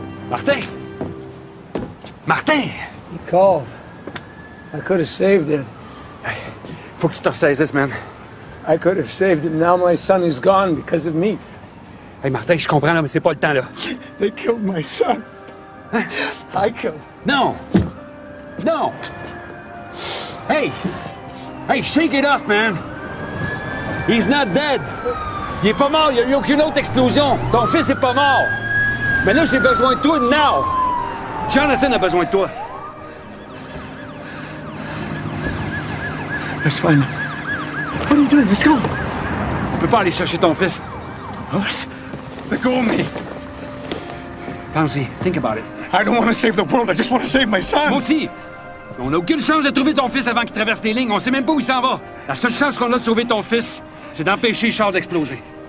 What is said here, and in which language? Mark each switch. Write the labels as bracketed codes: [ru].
[en] Martin! Martin! He called. I could have saved him. [fr] Faut que tu te ressaisisses, man. [en] I could have saved him. Now my son is gone because of me. [fr] Hey, Martin, je comprends, là, mais c'est pas le temps, là. [en] They killed my son. Hein? I killed him. [fr] Non! Non! [en] Hey! Hey, shake it off, man! He's not dead! [fr] Il est pas mort, il y a eu aucune autre explosion. Ton fils est pas mort! Mais là, j'ai besoin de toi, now! Jonathan a besoin de toi. [en] That's fine. What are you doing? Let's go! [fr] Tu peux pas aller chercher ton fils. [en] Oh, let go of me! [fr] Pense-y. [en] Think about it. I don't want to save the world. I just want to save my son. [fr] Moi aussi! On n'a aucune chance de trouver ton fils avant qu'il traverse tes lignes. On sait même pas où il s'en va. La seule chance qu'on a de sauver ton fils, c'est d'empêcher Charles d'exploser.